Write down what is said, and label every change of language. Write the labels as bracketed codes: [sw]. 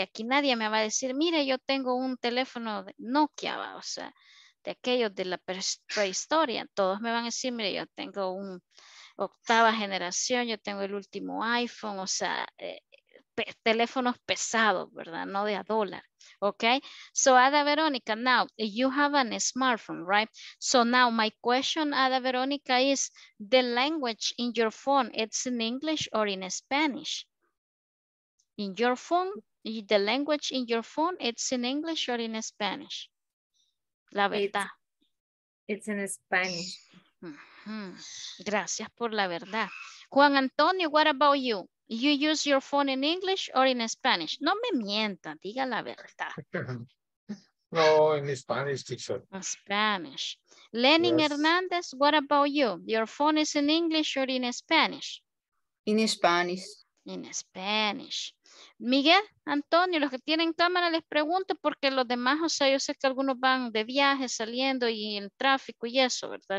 [es] Aquí nadie me va a decir, mire, yo tengo un teléfono de Nokia, ¿va? O sea, de aquellos de la prehistoria, todos me van a decir, mire, yo tengo un octava generación, yo tengo el último iPhone, o sea, teléfonos pesados, ¿verdad? No de a dólar, ¿ok? [en] So, Ada Verónica, now, you have a smartphone, right? So, now, my question, Ada Verónica, is the language in your phone, it's in English or in Spanish? In your phone, the language in your phone, it's in English or in Spanish? [es] La verdad. [en] It's in Spanish. [es] Gracias por la verdad. Juan Antonio, [en] what about you? You use your phone in English or in Spanish? [es] No me mienta, diga la verdad. [en] No, in Spanish, teacher. Spanish. Lenin, yes. Hernandez, what about you? Your phone is in English or in Spanish? In Spanish. In Spanish. [es] Miguel, Antonio, los que tienen cámara les pregunto porque los demás, o sea, yo sé que algunos van de viaje saliendo y el tráfico y eso, ¿verdad?